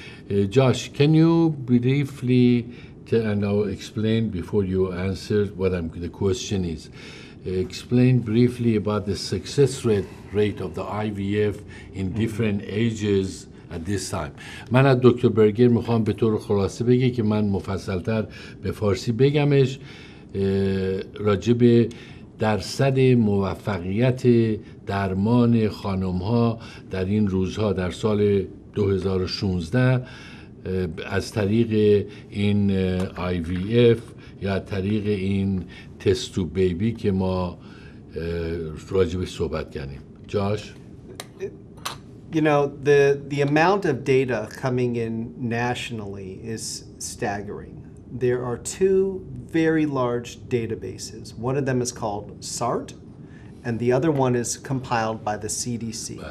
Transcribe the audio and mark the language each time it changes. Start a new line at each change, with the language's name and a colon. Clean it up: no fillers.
Persian: جاش،
English: can you briefly and now explain before you answer what I'm the question is. Explain briefly about the success rate of the IVF in different ages at this time.
Persian: من از دکتر برگر میخوام به طور خلاصه بگه که من مفصلتر به فارسی بگمش. راجع به درصد موفقیت درمان خانم ها در این روزها در سال 2016 از طریق این IVF یا طریق این تست تو بیبی که ما راجع به صحبت کردیم. جاش؟
English: You know, the amount of data coming in nationally is staggering. There are two very large databases. One of them is called SART, and the other one is compiled by the CDC.